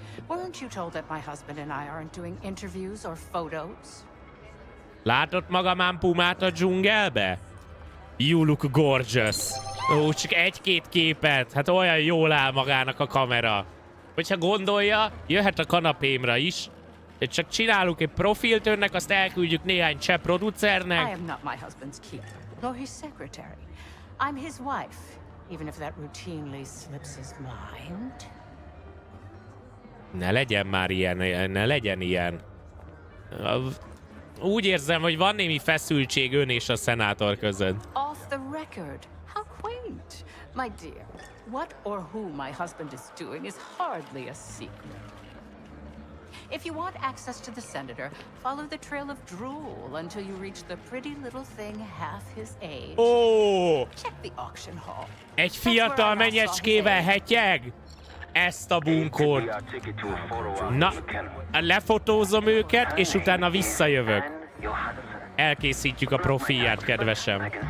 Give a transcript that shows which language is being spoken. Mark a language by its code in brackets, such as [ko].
[en] Weren't you told that my husband and I aren't doing interviews or photos? [hu] Látott magam ám pumát a dzsungelbe? [en] You look gorgeous. [hu] Ó, csak egy-két képet. Hát olyan jól áll magának a kamera. Hogyha gondolja, jöhet a kanapémra is. Csak csinálunk egy profilt önnek, azt elküldjük néhány cseh producernek. [en] I am not my husband's keeper, nor his secretary. I'm his wife, even if that routinely slips his mind. [hu] Ne legyen már ilyen, ne legyen ilyen. Úgy érzem, hogy van némi feszültség ön és a szenátor között. [en] Off the record. How quaint. My dear, what or who my husband is doing is hardly a secret. If you want access to the senator, follow the trail of drool until you reach the pretty little thing half his age. Oh! Check the auction hall. [hu] Egy fiatal menyecskével hetyeg? Ezt a bunkót. Na, lefotózom őket, és utána visszajövök. Elkészítjük a profilját, kedvesem.